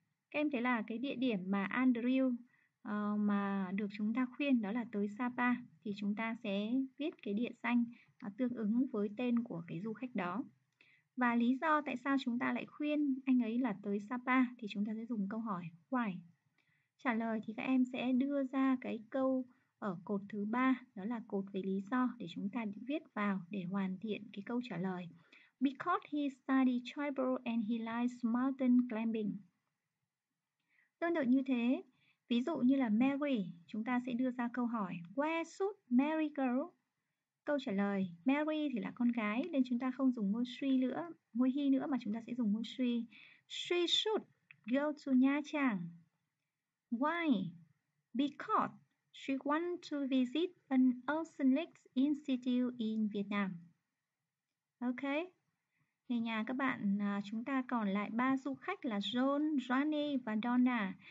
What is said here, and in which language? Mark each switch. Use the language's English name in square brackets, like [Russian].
[Vietnamese] Các em thấy là cái địa điểm mà Andrew mà được chúng ta khuyên đó là tới Sapa, thì chúng ta sẽ viết cái địa danh tương ứng với tên của cái du khách đó. Và lý do tại sao chúng ta lại khuyên anh ấy là tới Sapa thì chúng ta sẽ dùng câu hỏi why. Trả lời thì các em sẽ đưa ra cái câu ở cột thứ 3, đó là cột về lý do, để chúng ta viết vào để hoàn thiện cái câu trả lời. [English] Because he studied tribal and he likes mountain climbing. [Vietnamese] Tương tự như thế, ví dụ như là Mary, chúng ta sẽ đưa ra câu hỏi [English] Where should Mary go? [Vietnamese] Câu trả lời, Mary thì là con gái nên chúng ta không dùng ngôi she nữa, ngôi he nữa mà chúng ta sẽ dùng ngôi she. [English] She should go to Nha Trang. Why? Because she wants to visit an Oceanic Institute in Vietnam. [Vietnamese] Ok, thì nhà các bạn, chúng ta còn lại 3 du khách là John, Johnny và Donna.